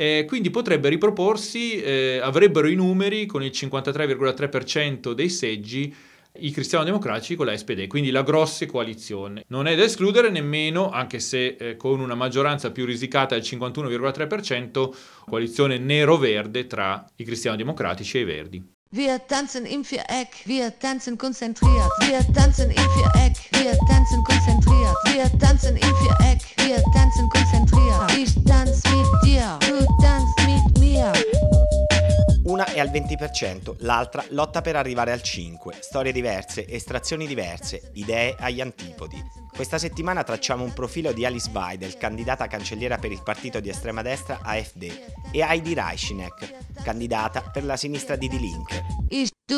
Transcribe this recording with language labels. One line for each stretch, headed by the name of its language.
Italian: Quindi potrebbe riproporsi, avrebbero i numeri con il 53,3% dei seggi i cristiano democratici con la SPD, quindi la grossa coalizione. Non è da escludere nemmeno, anche se con una maggioranza più risicata del 51,3%, coalizione nero-verde tra i cristiano democratici e i verdi.
German: Wir tanzen im Viereck, wir tanzen konzentriert. Wir tanzen im Viereck, wir tanzen konzentriert. Wir tanzen im Viereck, wir tanzen konzentriert. Ich tanz mit dir, du tanzt mit mir.
Italian: Una è al 20%, l'altra lotta per arrivare al 5%. Storie diverse, estrazioni diverse, idee agli antipodi. Questa settimana tracciamo un profilo di Alice Weidel, candidata cancelliera per il partito di estrema destra AfD, e Heidi Reichenek, candidata per la sinistra di Die Linke.